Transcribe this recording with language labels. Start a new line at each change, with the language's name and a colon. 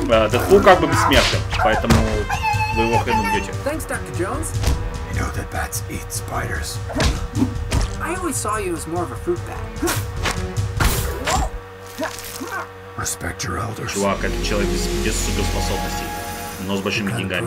Russian: Дэдпул как бы бессмертен, поэтому вы его хрен убьете.
English: Thanks, Dr. Jones. You know that bats eat spiders. I always saw you as more of a fruit bat. Respect your elders.
Russian: Чувак, это человек без суперспособностей, но с большими деньгами.